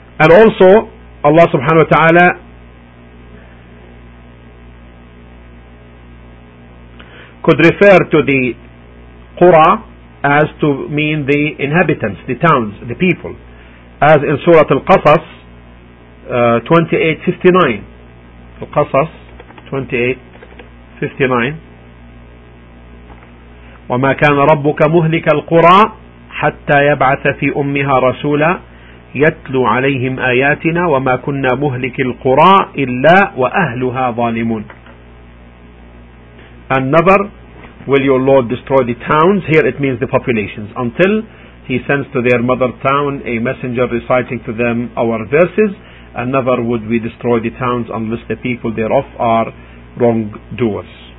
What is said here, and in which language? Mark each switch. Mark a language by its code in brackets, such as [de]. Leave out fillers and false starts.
[en] And also, Allah subhanahu wa ta'ala could refer to the Qura as to mean the inhabitants, the towns, the people. As in Surah Al-Qasas 28:59. [ar] القصص 28:59 وما كان ربك مهلك القرى حتى يبعث في أمها رسولا يتلو عليهم آياتنا وما كنا مهلك القرى إلا وأهلها ظالمون. [en] And never will your Lord destroy the towns, here it means the populations, until he sends to their mother town a messenger reciting to them our verses. And never would we destroy the towns unless the people thereof are wrongdoers.